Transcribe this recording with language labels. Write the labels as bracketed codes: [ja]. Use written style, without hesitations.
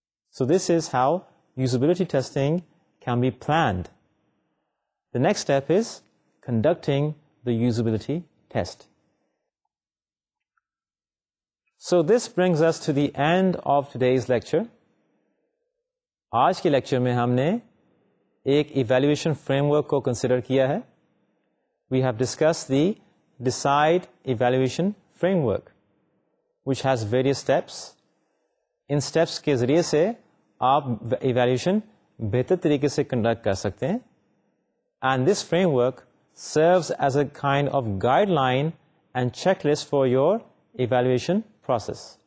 [en] So this is how usability testing can be planned. The next step is conducting the usability test. So this brings us to the end of today's lecture. [ur] آج کے lecture میں ہم نے ایک evaluation frame work کو consider کیا ہے. [en] We have discuss the decide evaluation framework which has various steps. [ur] In steps کے ذریعے سے آپ ایویلیویشن بہتر طریقے سے کنڈکٹ کر سکتے ہیں. [en] And this framework serves as a kind of guideline and checklist for your evaluation process.